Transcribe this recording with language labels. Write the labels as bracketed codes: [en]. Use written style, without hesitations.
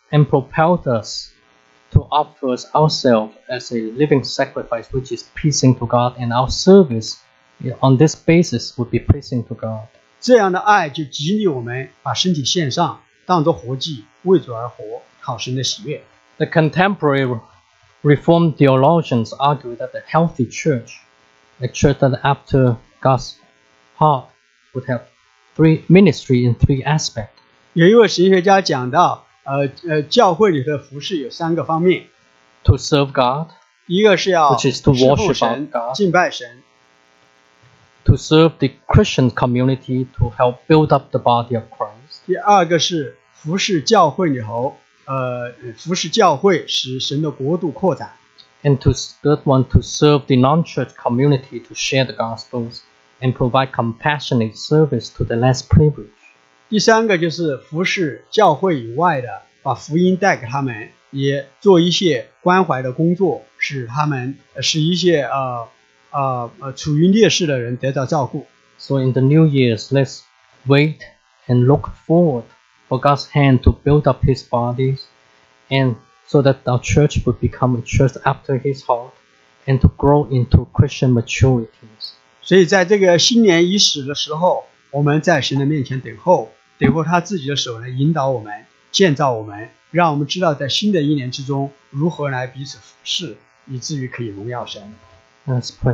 [en] And propelled us to offer ourselves as a living sacrifice, which is pleasing to God, and our service on this basis would be pleasing to God. [zh] 这样的爱就激励我们把身体献上，当作活祭，为主而活，讨神的喜悦。 [en] The contemporary Reformed theologians argue that a healthy church, a church that after God's heart, would have three ministry in three aspects. [zh] 有一位神学家讲到， 教会里的服事有三个方面， [en] to serve God， [zh] 一个是要， [en] which is to worship God， [zh] 敬拜神， [en] to serve the Christian community to help build up the body of Christ， [zh] 第二个是服事教会里头， 服事教会， 使神的国度扩展， [en] and to third one to serve the non-church community to share the gospels and provide compassionate service to the less privileged， [zh] 第三个就是服事教会以外的， 把福音带给他们，也做一些关怀的工作，使他们是一些处于劣势的人得到照顾。 [en] So in the New Year's, let's wait and look forward for God's hand to build up His body, and so that our church would become a church after His heart, and to grow into Christian maturity. [zh] 所以在这个新年伊始的时候，我们在神的面前等候，等候他自己的手来引导我们。建造我们，让我们知道在新的一年之中如何来彼此服侍，以至于可以荣耀神。 [en] Let's